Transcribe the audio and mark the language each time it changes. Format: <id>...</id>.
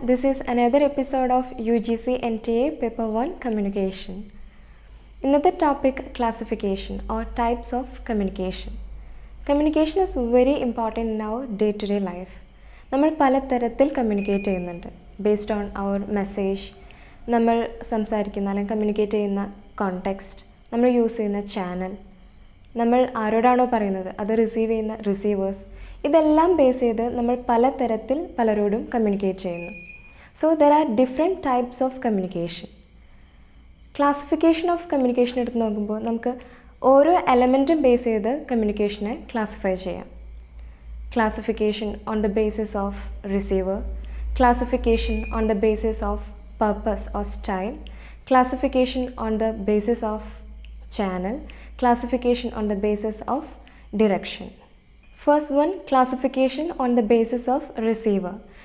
<en>This is another episode of UGC NTA Paper 1 Communication. Another topic, classification or types of communication. Communication is very important in our day-to-day life.</en> <ml>നമ്മൾ പലതരത്തിൽ communicate ചെയ്യുന്നുണ്ട്.</ml> <en>based on our message,</en> <ml>നമ്മൾ സംസാരിക്കുന്ന അല്ലെങ്കിൽ communicate ചെയ്യുന്ന context, നമ്മൾ use ചെയ്യുന്ന channel, നമ്മൾ ആരോടാണോ പറയുന്നത് അത് റിസീവ് ചെയ്യുന്ന റിസീവേഴ്സ്, ഇതെല്ലാം ബേസ് ചെയ്ത് നമ്മൾ പലതരത്തിൽ പലരോടും കമ്മ്യൂണിക്കേറ്റ് ചെയ്യുന്നു.</ml> <en>So there are different types of communication.</en> <ml>Classification of communication എടുത്ത് നോക്കുമ്പോൾ നമുക്ക് ഓരോ എലമെൻറ്റും ബേസ് ചെയ്ത് കമ്മ്യൂണിക്കേഷനെ ക്ലാസിഫൈ ചെയ്യാം.</ml> <en>Classification on the basis of receiver, classification on the basis of purpose or style, classification on the basis of channel, classification on the basis of direction. First one, classification on the basis of receiver.</en>